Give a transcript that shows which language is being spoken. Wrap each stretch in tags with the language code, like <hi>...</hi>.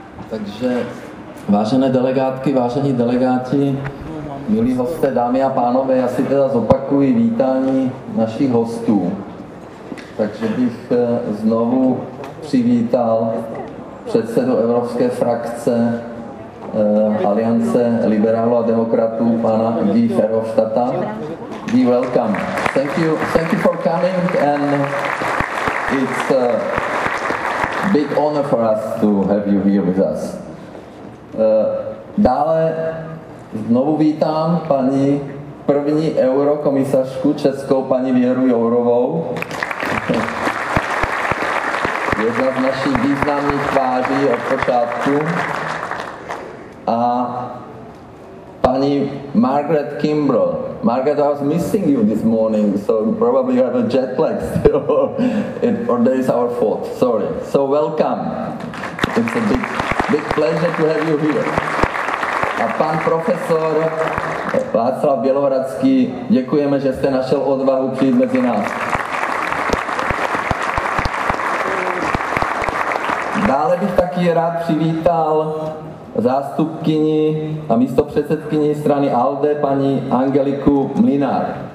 <cs>Takže vážené delegátky, vážení delegáti, milí hosté, dámy a pánové, já si teda zopakuji vítání našich hostů. Takže bych znovu přivítal předsedu Evropské frakce Aliance liberálů a demokratů, pana Guy Verhofstadta.</cs> <en>Guy, welcome. Thank you for coming, and it's a big honor for us to have you here with us.</en> <cs>Dále znovu vítám paní první eurokomisařku českou, paní Věru Jourovou. Jedna z našich významných tváří od počátku. A paní Margaret Kimbrough.</cs> <en>Margaret, I was missing you this morning, so probably you have a jet lag still. Or that is our fault, sorry. So welcome. It's a big pleasure to have you here.</en> <cs>A pan profesor Václav Bělohradský, děkujeme, že jste našel odvahu přijít mezi nás. Dále bych taky rád přivítal zástupkyni a místopředsedkyni strany ALDE, paní Angeliku Mlynár.</cs>